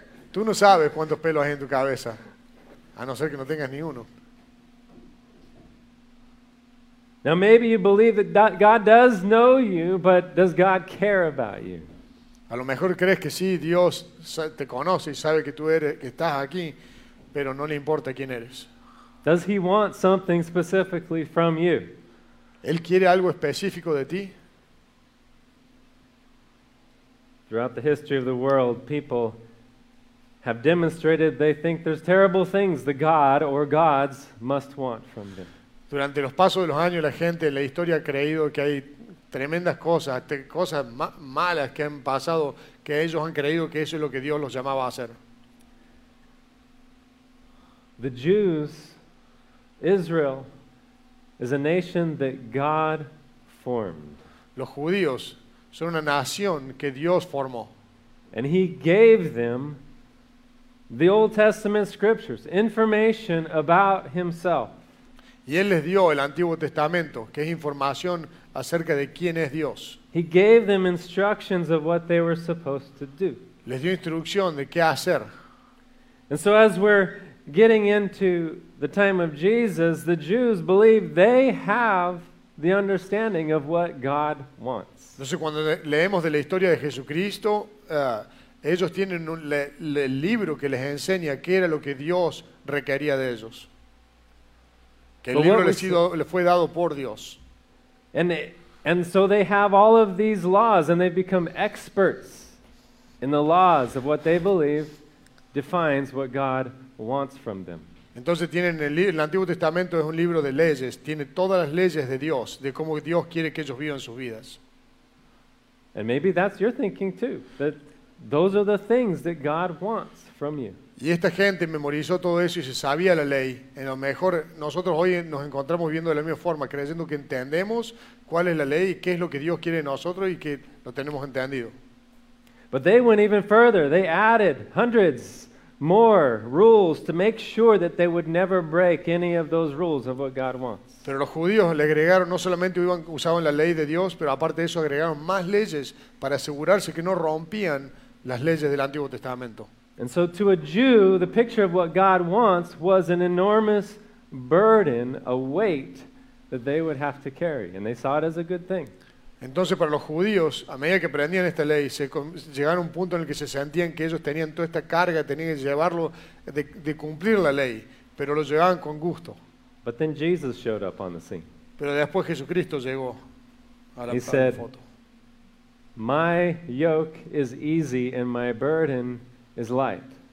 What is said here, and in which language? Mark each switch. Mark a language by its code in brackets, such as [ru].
[es] tú no sabes cuántos pelos hay en tu cabeza, a no ser que no tengas ni uno. [en] Now maybe you believe that God does know you, but does God care about you? [es] A lo mejor crees que sí, Dios te conoce y sabe que tú eres, que estás aquí, pero no le importa quién eres. [en] Does he want something specifically from you? [es] ¿Él quiere algo específico de ti? [en] Throughout the history of the world, people have demonstrated they think there's terrible things the God or gods must want from them. [es] Durante los pasos de los años, la gente en la historia ha creído que hay tremendas cosas, cosas malas que han pasado, que ellos han creído que eso es lo que Dios los llamaba a hacer. [en] The Jews, Israel, is a nation that God formed. [es] Los judíos son una nación que Dios formó. [en] And he gave them the Old Testament scriptures, information about himself. [es] Y él les dio el Antiguo Testamento, que es información acerca de quién es Dios. [en] He gave them instructions of what they were supposed to do. [es] Les dio instrucción de qué hacer. [en] And so as we're getting into the time of Jesus, the Jews believe they have the understanding of what God wants. [es] Entonces, cuando leemos de la historia de Jesucristo, ellos tienen un libro que les enseña qué era lo que Dios requería de ellos. Que el But libro les fue dado por Dios. [en] And so they have all of these laws and they become experts in the laws of what they believe defines what God wants from them. [es] Entonces tienen el Antiguo Testamento es un libro de leyes, tiene todas las leyes de Dios, de cómo Dios quiere que ellos vivan sus vidas. [en] And maybe that's your thinking too, that those are the things that God wants from you. [es] Y esta gente memorizó todo eso y se sabía la ley. En lo mejor nosotros hoy nos encontramos viendo de la misma forma, creyendo que entendemos cuál es la ley y qué es lo que Dios quiere de nosotros y que lo tenemos entendido. [en] But they went even further. They added hundreds more rules to make sure that they would never break any of those rules of what God wants. [es] Pero los judíos le agregaron, no solamente usaban la ley de Dios, pero aparte de eso agregaron más leyes para asegurarse que no rompían las leyes del Antiguo Testamento. [en] And so to a Jew, the picture of what God wants was an enormous burden, a weight that they would have to carry. And they saw it as a good thing. [es] Entonces para los judíos, a medida que aprendían esta ley, llegaron a un punto en el que se sentían que ellos tenían toda esta carga, tenían que llevarlo, de cumplir la ley, pero lo llevaban con gusto. [en] But then Jesus showed up on the scene. [es] Pero después Jesucristo llegó a la, [en] He [es] a la [en] said, [es] foto. [en] My yoke is easy and my burden is light.